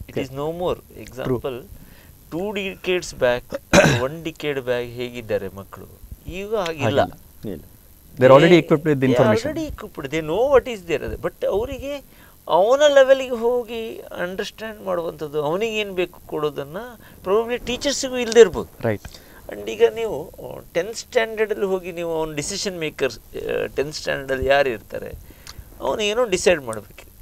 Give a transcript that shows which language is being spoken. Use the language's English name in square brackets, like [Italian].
[English] it is no more example two decades back one decade back [Kannada] ಹೇಗಿದ್ದಾರೆ ಮಕ್ಕಳು ಈಗ ಆಗಿಲ್ಲ. [English] They're already equipped with information. They are already equipped. They know what is there. [Kannada] But ಅವರಿಗೆ ಅವನ ಲೆವೆಲ್ಗೆ ಹೋಗಿ understand ಮಾಡುವಂಥದ್ದು ಅವನಿಗೆ ಏನು ಬೇಕು ಕೊಡೋದನ್ನು ಪ್ರಾಬಬ್ಲಿ ಟೀಚರ್ಸಿಗೂ ಇಲ್ಲದೇ ಇರ್ಬೋದು. [English] Right. [Kannada] ಆ್ಯಂಡ್ ಈಗ ನೀವು ಟೆಂತ್ ಸ್ಟ್ಯಾಂಡರ್ಡಲ್ಲಿ ಹೋಗಿ ನೀವು ಅವ್ನ ಡಿಸಿಷನ್ ಮೇಕರ್ಸ್ ಟೆಂತ್ ಸ್ಟ್ಯಾಂಡರ್ಡಲ್ಲಿ ಯಾರು ಇರ್ತಾರೆ ಅವನೇನೋ ಡಿಸೈಡ್ ಮಾಡಬೇಕು.